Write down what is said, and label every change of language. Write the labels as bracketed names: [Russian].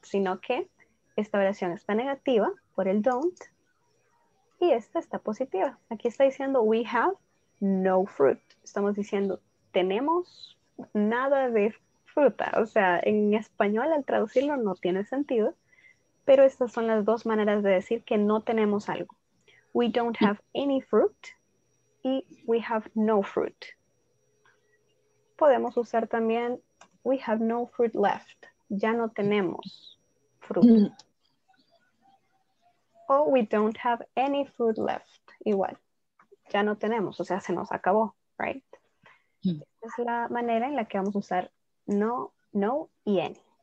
[Spanish] Sino que esta oración está negativa por el don't y esta está positiva. Aquí está diciendo [English] we have no fruit. [Spanish] Estamos diciendo tenemos nada de fruta. O sea, en español al traducirlo no tiene sentido, pero estas son las dos maneras de decir que no tenemos algo. [English] We don't have any fruit y we have no fruit. [Spanish] Podemos usar también [English] we have no fruit left. [Spanish] Ya no tenemos fruta. [English] O we don't have any fruit left. [Spanish] Igual. Ya no tenemos. O sea, se nos acabó, right? Es la manera en la que vamos a usar no, no y any.